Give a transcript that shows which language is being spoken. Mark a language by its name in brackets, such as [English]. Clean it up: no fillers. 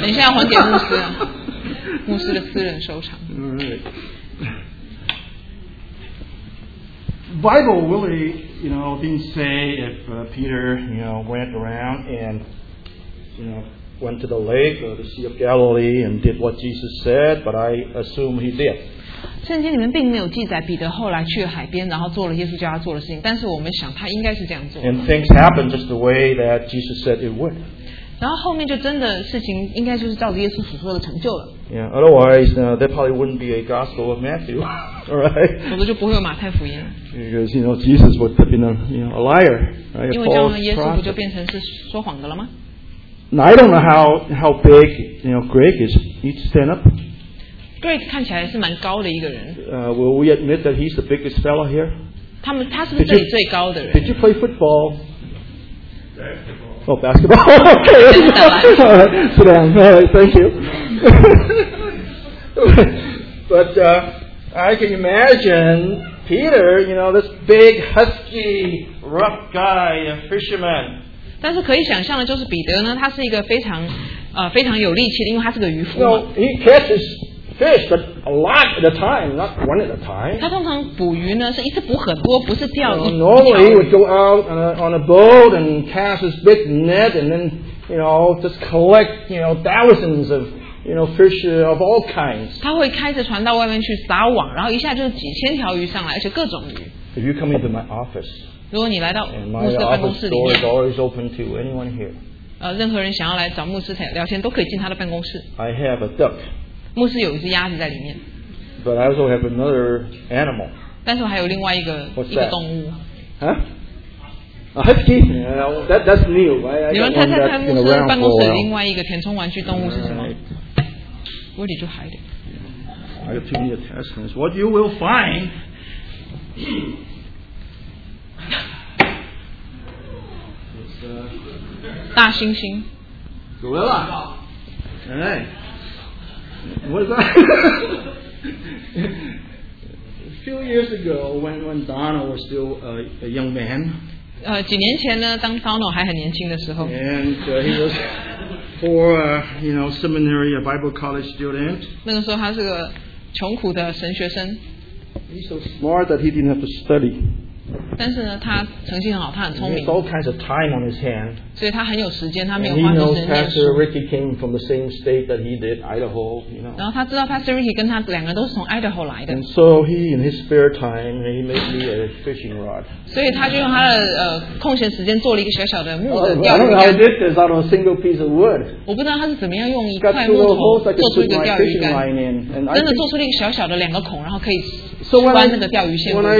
[Chinese] 等一下还给牧师，牧师的私人收藏。 [English] Bible really, you know, didn't say if Peter, you know, went around and, you know. Went to the lake or the Sea of Galilee and did what Jesus said, but I assume he did. [Chinese] 圣经里面并没有记载彼得后来去海边，然后做了耶稣叫他做的事情。但是我们想他应该是这样做的。 [English] And things happen just the way that Jesus said it would. [Chinese] 然后后面就真的事情应该就是照着耶稣所说的成就了。 [English] Yeah, otherwise, there probably wouldn't be a Gospel of Matthew, right? [Chinese] 否则就不会有马太福音。 [English] Because you know Jesus would have been a liar, right? [Chinese] 因为这样呢，耶稣不就变成是说谎的了吗？ [English] Now, I don't know how big Greg is. He'd stand up. [Chinese] Greg 看起来是蛮高的一个人。 [English] Will we admit that he's the biggest fellow here? [Chinese] 他是不是这里最高的人 [English] did you play football? Basketball. Oh, basketball. Okay. Sit down. All right, thank you. But I can imagine Peter, this big, husky, rough guy, a fisherman. [Chinese] 但是可以想象的就是彼得呢，他是一个非常，非常有力气的，因为他是个渔夫。 [English] He catches fish, but a lot at a time, not one at a time. [Chinese] 他通常捕鱼呢，是一次捕很多，不是钓一条。 [English] Normally he would go out on a boat and cast his big net, and then just collect thousands of fish of all kinds. [Chinese] 他会开着船到外面去撒网，然后一下就几千条鱼上来，而且各种鱼。 [English] If you come into my office. [Chinese] 如果你来到牧师的办公室里面 [English] my office door is always open to anyone here. [Chinese] 任何人想要来找牧师聊天都可以进他的办公室 [English] I have a duck [Chinese] 牧师有一只鸭子在里面 [English] But I also have another animal [Chinese] 但是我还有另外一个动物 [English] Huh? A husky? That's new, right? [Chinese] 你们猜猜看牧师办公室的另外一个填充玩具动物是什么 [English] Where did you hide it? I have to need a test and it's what you will find [Chinese] 大猩猩 [English] Gorilla Hey What's that? A few years ago when Donald was still a young man [Chinese] 几年前呢当 Donald 还很年轻的时候 [English] And he was poor seminary a Bible college student [Chinese] 那个时候他是个穷苦的神学生 [English] He's so smart that he didn't have to study [Chinese] 但是呢，他成绩很好，他很聪明。 [English] He has all kinds of time on his hand. [Chinese] 所以他很有时间，他没有花时间念书。 [English] And he knows Pastor Ricky came from the same state that he did, Idaho. [Chinese] 然后他知道 Pastor Ricky 跟他两个都是从 Idaho 来的。 [English] And so he, in his spare time, he made me a fishing rod. [Chinese] 所以他就用他的空闲时间做了一个小小的木的钓鱼。 [English] I don't know how he did this on a single piece of wood. [Chinese] 我不知道他是怎么样用一块木头做出一个钓鱼竿，真的做出了一个小小的两个孔，然后可以穿那个钓鱼线。